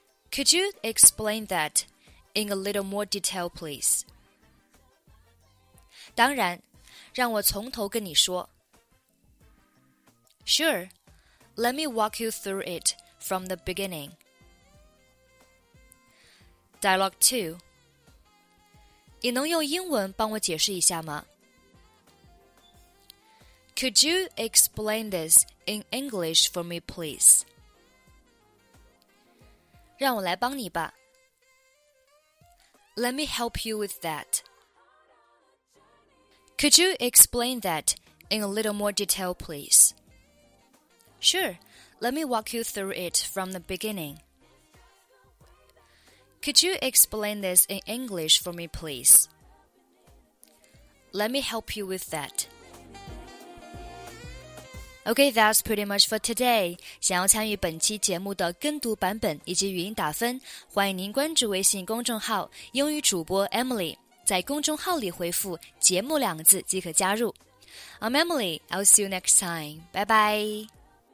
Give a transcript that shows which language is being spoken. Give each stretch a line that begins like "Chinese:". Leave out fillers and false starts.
English: Could you explain that? In a little more detail, please.
Chinese: 当然，让我从头跟你说。
English: Sure, let me walk you through it from the beginning. Dialogue 2.
Chinese: 你能用英文帮我解释一下吗？
English: Could you explain this in English for me, please?
Chinese: 让我来帮你吧。
English: Let me help you with that. Could you explain that in a little more detail, please? Sure, let me walk you through it from the beginning. Could you explain this in English for me, please? Let me help you with that. Okay, that's pretty much for today.
Chinese: 想要参与本期节目的跟读版本以及语音打分，欢迎您关注微信公众号英语主播 Emily, 在公众号里回复节目两个字即可加入。
English: I'm Emily, I'll see you next time. Bye bye.